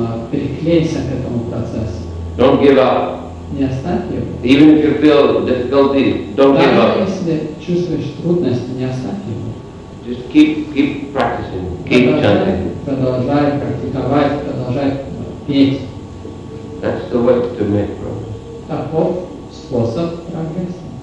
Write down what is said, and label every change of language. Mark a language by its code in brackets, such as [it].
[ru] Приклейся к этому процессу. [en] Don't give up. [ru] Не оставь его. [en] Even if you feel difficulty, don't give up. [ru] Даже если чувствуешь трудности, не оставь его. [en] Just keep practicing, keep chanting. [ru] Продолжай практиковать, продолжай петь. [en] That's the way to make progress. [ru] Таков способ прогресса.